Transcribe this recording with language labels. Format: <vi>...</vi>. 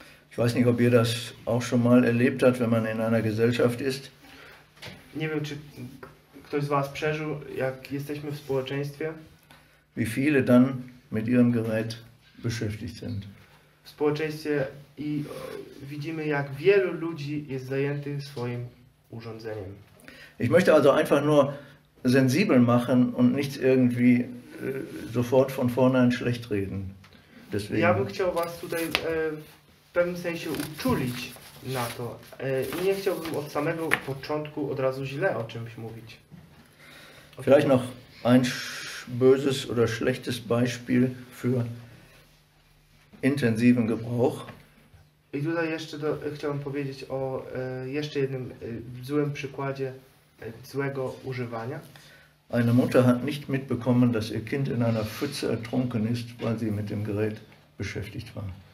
<de>Ich weiß nicht, ob ihr das auch schon mal erlebt hat, wenn man in einer Gesellschaft ist.</de> <pl>Nie wiem, czy ktoś z was przeżył, jak jesteśmy w społeczeństwie.</pl> <de>Wie viele dann mit ihrem Gerät beschäftigt sind.</de> <pl>W społeczeństwie i widzimy, jak wielu ludzi jest zajętych swoim urządzeniem.</pl> <de>Ich möchte also einfach nur sensibel machen und nicht irgendwie sofort von vornherein schlecht reden. Deswegen.</de> <pl>Ja bym chciał was tutaj w pewnym sensie uczulić na to. I nie chciałbym od samego początku od razu źle o czymś mówić.</pl> <de>Vielleicht noch ein böses oder schlechtes Beispiel für intensiven Gebrauch.</de> <pl>I tutaj jeszcze chciałbym powiedzieć o jeszcze jednym złym przykładzie złego używania.</pl> <de>Eine Mutter hat nicht mitbekommen, dass ihr Kind in einer Pfütze ertrunken ist, weil sie mit dem Gerät beschäftigt war.</de>